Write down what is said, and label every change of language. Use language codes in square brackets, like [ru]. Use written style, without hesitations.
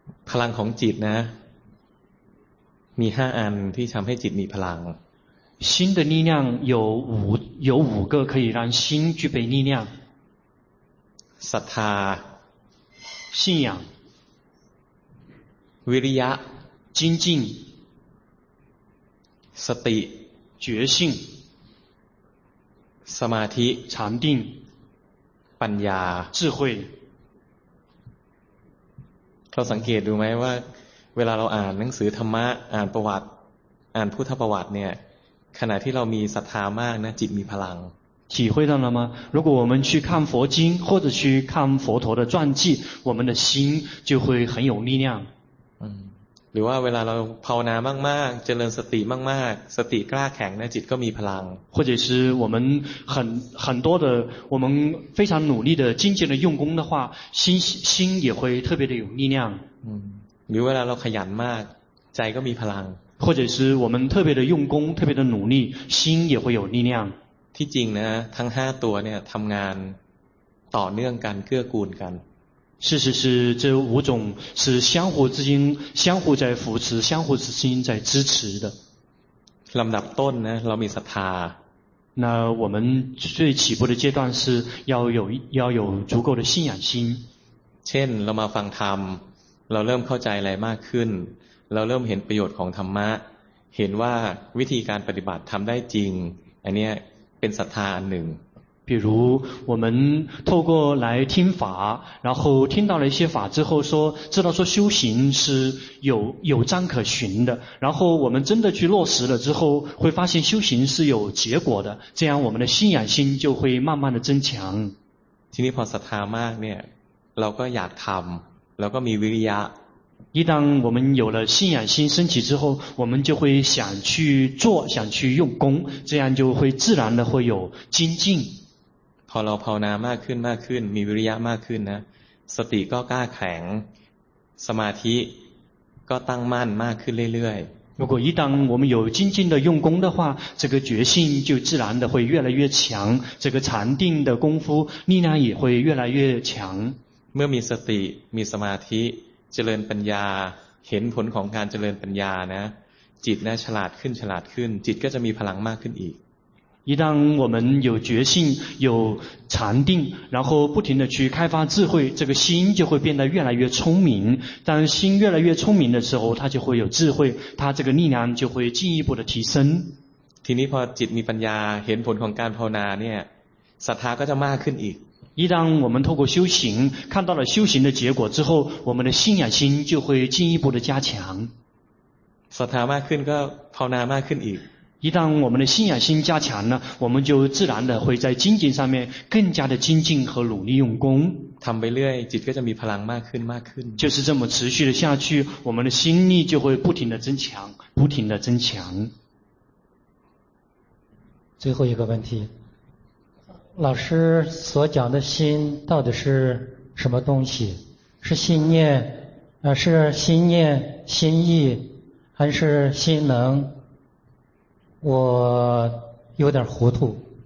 [th] พลังของจิตนะมี5อันที่ทำให้จิตมีพลัง [zh] 心的力量有五个可以让心具备力量 [th] ศรัทธา [zh] 信仰 [th] วิริยะ [zh] 精进 [th] สติ [zh] 觉性 [th] สมาธิ [zh] 禅定 [th] ปัญญา [zh] 智慧 [th] เราสังเกตดูไหมว่าเวลาเราอ่านหนังสือธรรมะอ่านประวัติอ่านพุทธประวัติเนี่ยขณะที่เรามีศรัทธามากนะจิตมีพลัง [zh] 体会到了吗如果我们去看佛经或者去看佛陀的传记我们的心就会很有力量 [th] หรือว่าเวลาเราภาวนามากๆเจริญสติมากๆสติกล้าแข็งนะจิตก็มีพลัง [zh] 或者是我们很多的我们非常努力的精进的用功的话心也会特别的有力量 [th] หรือเวลาเราขยันมากใจก็มีพลัง [zh] 或者是我们特别的用功特别的努力心也会有力量 [th] ที่จริงนะทั้ง5ตัวเนี่ยทำงานต่อเนื่องกันเกื้อกูลกัน [zh] 事实是这五种是相互之间相互在扶持相互之间在支持的 [th] ลำดับต้นนะเรามีศรัทธา [zh] 那我们最起步的阶段是要有足够的信仰心 [th] เช่นเรามาฟังธรรมเราเริ่มเข้าใจอะไรมากขึ้นเราเริ่มเห็นประโยชน์ของธรรมะเห็นว่าวิธีการปฏิบัติทำได้จริงอันนี้เป็นศรัทธาอันหนึ่ง [zh] 比如我们透过来听法然后听到了一些法之后说知道说修行是有章可循的然后我们真的去落实了之后会发现修行是有结果的这样我们的信仰心就会慢慢的增强 [th] ทีนี้พอศรัทธามากเนี่ยเราก็อยากทำเราก็มีวิริยะ [zh] 一旦我们有了信仰心升起之后我们就会想去做想去用功这样就会自然的会有精进 [th] พอเราภาวนามากขึ้นมากขึ้นมีวิริยะมากขึ้นนะสติก็กล้าแข็งสมาธิ ก็ตั้งมั่นมากขึ้นเรื่อย [zh] ๆ如果一旦我们有精进的用功的话这个决心就自然的会越来越强这个禅定的功夫力量也会越来越强 [th] เมื่อมีสติมีสมาธิเจริญปัญญาเห็นผลของการเจริญปัญญานะจิตนะฉลาดขึ้นฉลาดขึ้นจิตก็จะมีพลังมากขึ้นอีก [zh] 一旦我们有决心有禅定然后不停地去开发智慧这个心就会变得越来越聪明当心越来越聪明的时候它就会有智慧它这个力量就会进一步的提升 [th] ทีนี้พอจิตมีปัญญาเห็นผลของการภาวนาเนี่ยศรัทธาก็จะมากขึ้นอีก [zh] 一旦我们透过修行看到了修行的结果之后我们的信仰心就会进一步的加强 [th] ศรัทธามากขึ้นก็ภาวนามากขึ้นอีก [zh] 一旦我们的信仰心加强了我们就自然的会在精进上面更加的精进和努力用功 [th] ทำไปเรื่อยจิตก็จะมีพลังมากขึ้นมากขึ้น [zh] 就是这么持续的下去我们的心力就会不停的增强不停的增强最后一个问题老师所讲的心到底是什么东西是信念是心念心意还是心能我有点糊涂